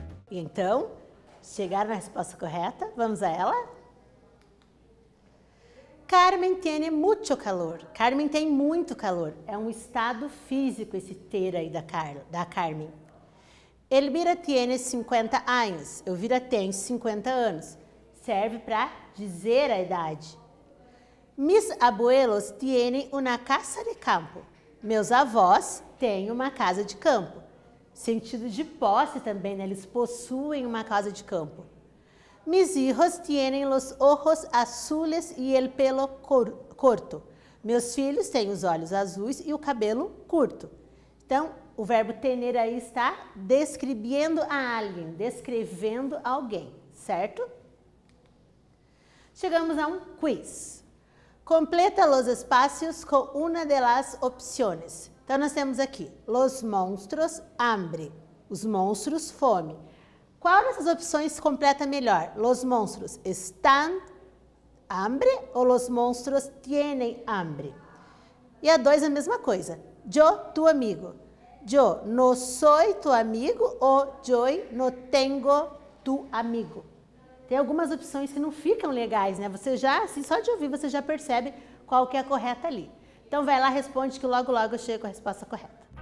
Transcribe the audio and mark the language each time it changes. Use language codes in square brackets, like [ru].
[pt] Então, chegaram na resposta correta. Vamos a ela. [es] Carmen tiene mucho calor. [pt] Carmen tem muito calor. É um estado físico esse ter aí da Carmen. [es] Elvira tiene 50 años. [pt] Elvira tem 50 anos. Serve para dizer a idade. [es] Mis abuelos tienen una casa de campo. [pt] Meus avós têm uma casa de campo. Sentido de posse também, né? Eles possuem uma casa de campo. [es] Mis hijos tienen los ojos azules y el pelo corto. [pt] Meus filhos têm os olhos azuis e o cabelo curto. Então, o verbo tener aí está descrevendo a alguém, descrevendo alguém, certo? Chegamos a um quiz. [es] Completa los espacios con una de las opciones. [pt] Então, nós temos aqui, [es] los monstruos, hambre. [pt] Os monstros, fome. Qual dessas opções completa melhor? [es] Los monstruos están hambre ou los monstruos tienen hambre? [pt] E a dois, a mesma coisa. [es] Yo, tu amigo. Yo no soy tu amigo ou yo no tengo tu amigo. [pt] Tem algumas opções que não ficam legais, né? Você já, assim, só de ouvir, você já percebe qual que é a correta ali. Então vai lá, responde que logo, logo eu chego com a resposta correta.